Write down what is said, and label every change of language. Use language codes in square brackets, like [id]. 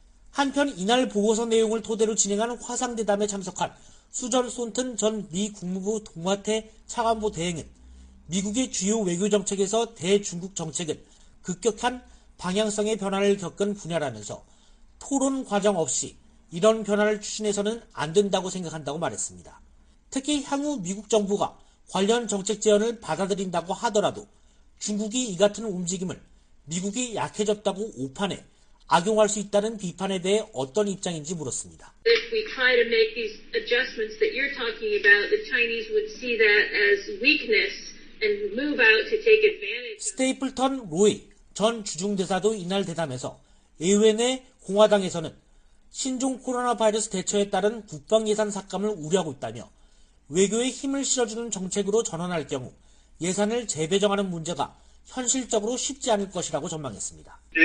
[ko] 한편 이날 보고서 내용을 토대로 진행한 화상대담에 참석한 수전 손튼 전 미 국무부 동아태 차관보 대행은 미국의 주요 외교 정책에서 대중국 정책은 급격한 방향성의 변화를 겪은 분야라면서 토론 과정 없이 이런 변화를 추진해서는 안 된다고 생각한다고 말했습니다. 특히 향후 미국 정부가 관련 정책 제언을 받아들인다고 하더라도 중국이 이 같은 움직임을 미국이 약해졌다고 오판해 악용할 수 있다는 비판에 대해 어떤 입장인지 물었습니다. [en] If we try to make these adjustments that you're talking about, the Chinese would see that as weakness and move out to take advantage. [ko] 스테이플턴 로이 전 주중대사도 이날 대담에서 의회 내 공화당에서는 신종 코로나 바이러스 대처에 따른 국방 예산 삭감을 우려하고 있다며 외교에 힘을 실어주는 정책으로 전환할 경우 예산을 재배정하는 문제가 현실적으로 쉽지 않을 것이라고 전망했습니다.